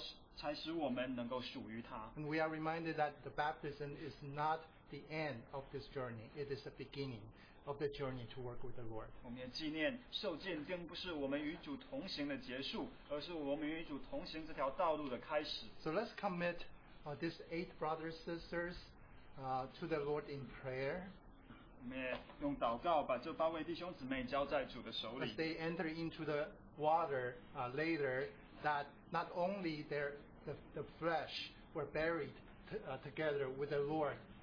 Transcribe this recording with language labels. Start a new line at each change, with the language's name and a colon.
Chinese: 是在我们要纪念主为我们付上的这个代价，才使我们能够属于他。
English: And we are reminded that the baptism is not the end of this journey; it is the beginning of the journey to work with the Lord.
Chinese: 我们也纪念受浸并不是我们与主同行的结束，而是我们与主同行这条道路的开始。
English: So let's commit these eight brothers and sisters to the Lord in prayer.
Chinese: 我们也用祷告把这八位弟兄姊妹交在主的手里。
English: As they enter into the water later, that not only the flesh were buried together with the Lord.